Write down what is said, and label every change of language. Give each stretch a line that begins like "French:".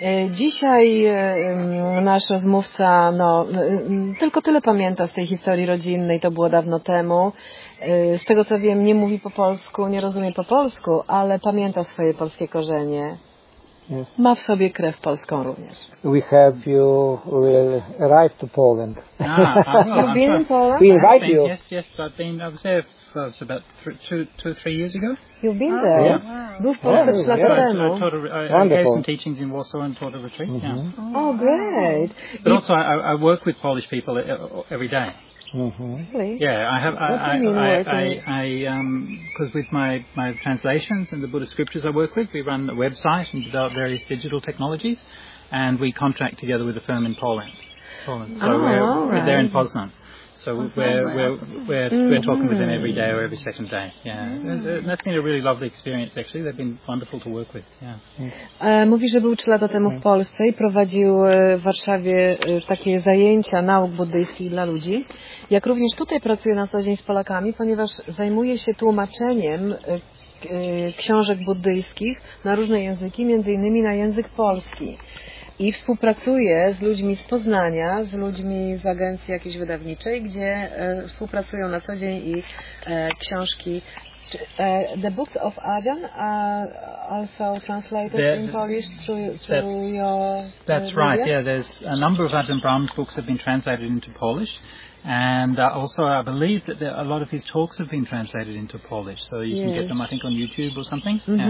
Polish: Dzisiaj nasz rozmówca tylko tyle pamięta z tej historii rodzinnej, to było dawno temu. Z tego co wiem, nie mówi po polsku, nie rozumie po polsku, ale pamięta swoje polskie korzenie.
English: Yes.
Polish: Ma w sobie krew polską również.
English: We help you, we'll arrive to Poland. Ah, you've been in Poland? We invite you. Yes, I've been observed. Well, it's about two, three years ago. You've been there? Yeah. Wow. Yeah. Yeah. I gave some teachings in Warsaw and taught a retreat. Mm-hmm. Yeah. Oh, great. But also, I work with Polish people every day. Mm-hmm. Really? Yeah, I have. Because with my translations and the Buddhist scriptures I work with, we run a website and develop various digital technologies, and we contract together with a firm in Poland. So we're there in Poznan. So we're talking with them every day or every second day. Yeah, mm. That's been a really lovely experience. Actually, they've been wonderful to work with. Yeah.
Polish: Mówi, że był 3 lata temu w Polsce i prowadził w Warszawie takie zajęcia nauk buddyjskich dla ludzi. Jak również tutaj pracuje na co dzień z Polakami, ponieważ zajmuje się tłumaczeniem książek buddyjskich na różne języki, między innymi na język polski. I współpracuje z ludźmi z Poznania, z ludźmi z agencji jakiejś wydawniczej, gdzie współpracują na co dzień i książki.
English: The books of Ajahn are also translated in Polish through your... That's right, yeah. There's a number of Ajahn Brahm's books have been translated into Polish. And also, I believe that there, a lot of his talks have been translated into Polish, so you can get them, I think, on YouTube or something.